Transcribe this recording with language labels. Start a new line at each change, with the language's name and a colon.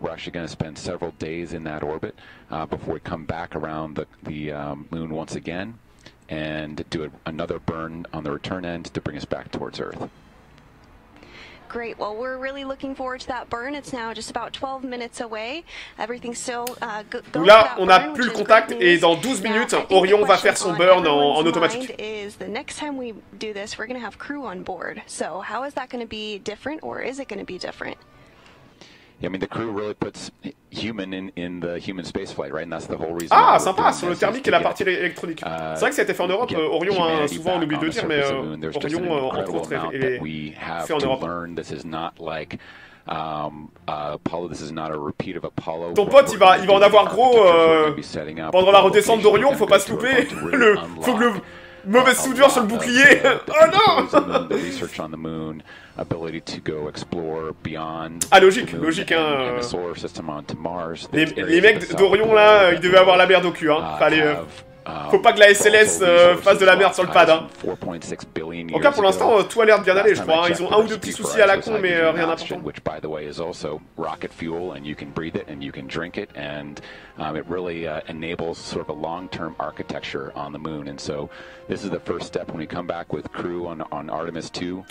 English: We're actually going to spend several days in that orbit before we come back around the moon once again and do another burn on the return end to bring us back towards Earth. Great. Well, we're really looking forward to that burn. It's now just about 12 minutes away. Everything's still going.
French: Là, on n'a plus le contact, et dans 12 minutes, Orion va faire son burn en automatique.
English: Is the next time we do this, we're going to have crew on board. So, how is that going to be different, or is it going to be different? Yeah, I mean, the crew really puts human in the human space flight, right? And that's the whole reason.
French: Ah, sympa, sur le thermique et la partie électronique. C'est vrai que ça a été fait en Europe. Orion, hein, souvent on oublie de dire, mais Orion, entre autres, est fait en Europe.
English: Learn. This is not like Apollo. This is not a repeat of Apollo.
French: Ton pote, il va en avoir gros pendant la redescente d'Orion. Faut pas se louper. Faut que le Mauvaise soudure sur le bouclier. Oh non.
English: The research on the moon, ability to go explore beyond.
French: Ah logique, logique hein.
English: The solar system onto Mars.
French: Les mecs d'Orion là, ils devaient avoir la merde au cul hein. Fallait faut pas que la SLS fasse de la merde sur le pad hein. En tout cas pour l'instant tout a l'air de bien aller je crois hein. Ils ont un ou deux petits soucis à la con mais rien d'important.
English: Which by the way is also rocket fuel and you can breathe it and you can drink it and it really enables sort of a long-term architecture on the moon and so this is the first step when we come back with crew on Artemis 2.